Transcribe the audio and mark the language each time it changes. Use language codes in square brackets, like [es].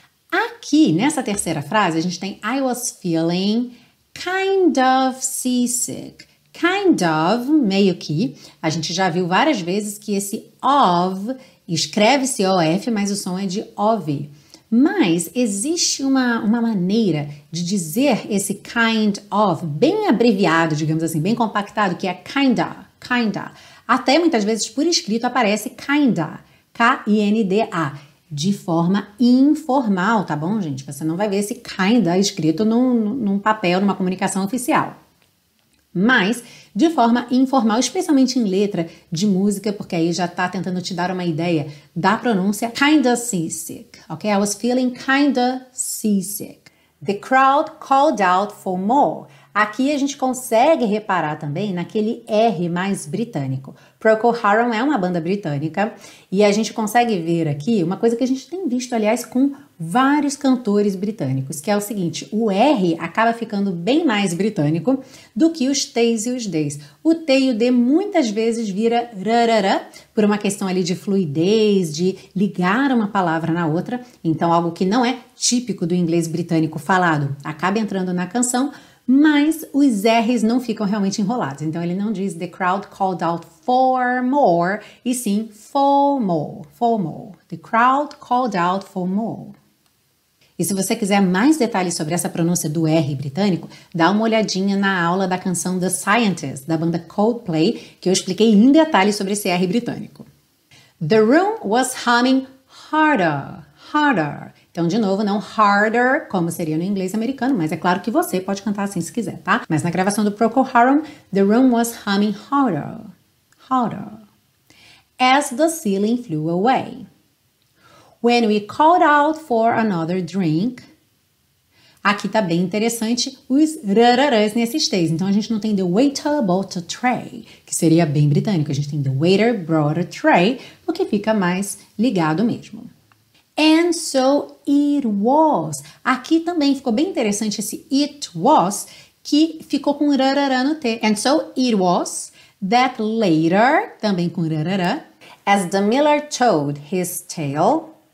[pt] Aqui, nessa terceira frase, a gente tem [en] I was feeling kind of seasick. [pt] Kind of, meio que. A gente já viu várias vezes que esse of escreve-se O-F, mas o som é de O-V. Mas existe uma maneira de dizer esse kind of bem abreviado, digamos assim, bem compactado, que é kinda, kinda. Até muitas vezes por escrito aparece kinda, K-I-N-D-A, de forma informal, tá bom, gente? Você não vai ver esse kinda escrito num papel, numa comunicação oficial. Mas, de forma informal, especialmente em letra de música, porque aí já tá tentando te dar uma ideia da pronúncia, kinda seasick, ok? [en] I was feeling kinda seasick. The crowd called out for more. [pt] Aqui a gente consegue reparar também naquele R mais britânico. Procol Harum é uma banda britânica e a gente consegue ver aqui uma coisa que a gente tem visto, aliás, com vários cantores britânicos, que é o seguinte, o R acaba ficando bem mais britânico do que os T's e os D's. O T e o D muitas vezes vira rarara, por uma questão ali de fluidez, de ligar uma palavra na outra, então algo que não é típico do inglês britânico falado, acaba entrando na canção, mas os R's não ficam realmente enrolados, então ele não diz [en] the crowd called out for more, [pt] e sim for more, for more. [en] The crowd called out for more. [pt] E se você quiser mais detalhes sobre essa pronúncia do R britânico, dá uma olhadinha na aula da canção The Scientist, da banda Coldplay, que eu expliquei em detalhes sobre esse R britânico. [en] The room was humming harder, harder. [pt] Então, de novo, não harder, como seria no inglês americano, mas é claro que você pode cantar assim se quiser, tá? Mas na gravação do [en] Procol Harum, the room was humming harder, harder. As the ceiling flew away. When we called out for another drink. [pt] Aqui tá bem interessante os rararãs nesses três. Então a gente não tem [en] the waiter brought a tray, [pt] que seria bem britânico. A gente tem [en] the waiter brought a tray, [pt] o que fica mais ligado mesmo. [en] And so it was. [pt] Aqui também ficou bem interessante esse it was, que ficou com rararã no T. [en] And so it was that later, [pt] também com rararã. [en] As the miller told his tale.